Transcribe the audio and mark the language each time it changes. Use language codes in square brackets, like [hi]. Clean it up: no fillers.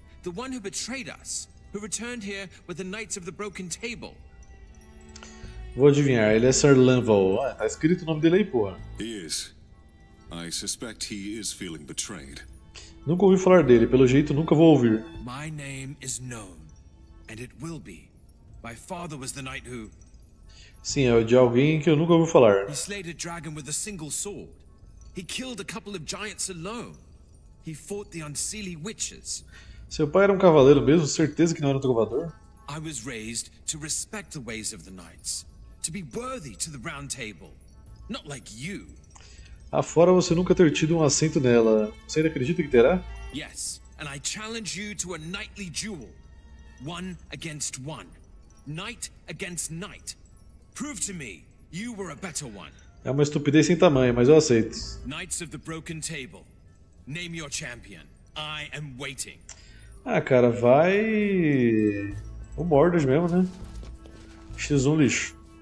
[en] The one who betrayed us, who returned here with the Knights of the Broken Table. [pt] Vou adivinhar, ele é Sir Lanval. Ah, tá escrito o nome dele aí, porra. [en] He is. I suspect he is feeling betrayed. [pt] Nunca ouvi falar dele, pelo jeito nunca vou ouvir. [en] My name is known, and it will be. My father was the knight who... [pt] Sim, é de alguém que eu nunca ouvi falar. [en] He slayed a dragon with a single sword. He killed a couple of giants alone. He fought the unseelie witches. [pt] Seu pai era um cavaleiro mesmo, certeza que não era um trovador? [en] I was raised to respect the ways of the knights, to be worthy to the round table, not like you. [pt] Afora você nunca ter tido um assento nela. Você ainda acredita que terá? [en] Yes, and I challenge you to a knightly duel. One against one. Knight against knight. Prove to me you were a better one. [pt] É uma estupidez sem tamanho, mas eu aceito. [en] Knights of the Broken Table. Name your champion. I am waiting. [pt] Ah, cara, vai. O Mordred mesmo, né? X1 lixo.